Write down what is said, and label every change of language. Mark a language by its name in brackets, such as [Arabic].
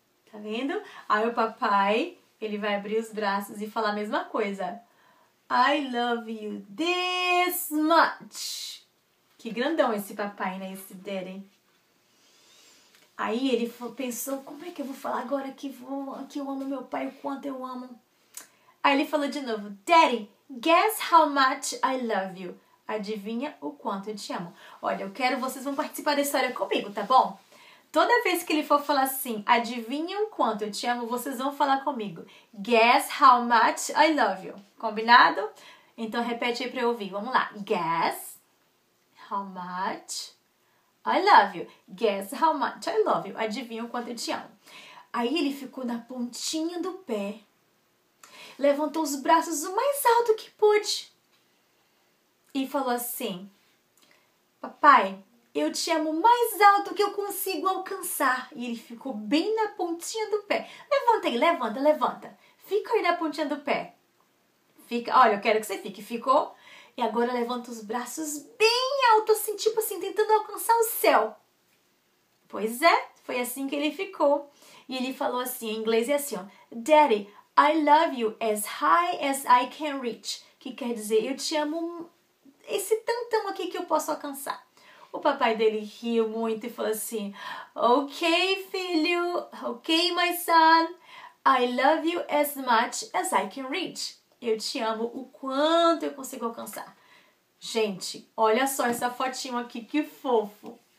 [Portuguese] Tá vendo? Aí o papai, ele vai abrir os braços e falar a mesma coisa. [English] I love you this much. [Portuguese] Ok? Que grandão esse papai, né? Esse Daddy. Aí ele pensou, como é que eu vou falar agora que eu amo meu pai, o quanto eu amo? Aí ele falou de novo, [English] Daddy, guess how much I love you. [Portuguese] Adivinha o quanto eu te amo. Olha, eu quero, vocês vão participar da história comigo, tá bom? Toda vez que ele for falar assim, adivinha o quanto eu te amo, vocês vão falar comigo. [English] Guess how much I love you. [Portuguese] Combinado? Então repete aí pra eu ouvir, vamos lá. [English] Guess how much I love you. Guess how much I love you. [Portuguese] Adivinha o quanto eu te amo. Aí ele ficou na pontinha do pé. Levantou os braços o mais alto que pôde. E falou assim. Papai, eu te amo mais alto que eu consigo alcançar. E ele ficou bem na pontinha do pé. Levanta aí, levanta, levanta. Fica aí na pontinha do pé. Fica, olha, eu quero que você fique. Ficou? E agora levanta os braços bem alto, assim, tipo assim, tentando alcançar o céu. Pois é, foi assim que ele ficou. E ele falou assim, em inglês é assim, ó. [English] Daddy, I love you as high as I can reach. [Portuguese] Que quer dizer, eu te amo esse tantão aqui que eu posso alcançar. O papai dele riu muito e falou assim, ok, filho, ok, [English] my son, I love you as much as I can reach. [Portuguese] Eu te amo o quanto eu consigo alcançar. Gente, olha só essa fotinho aqui, que fofo.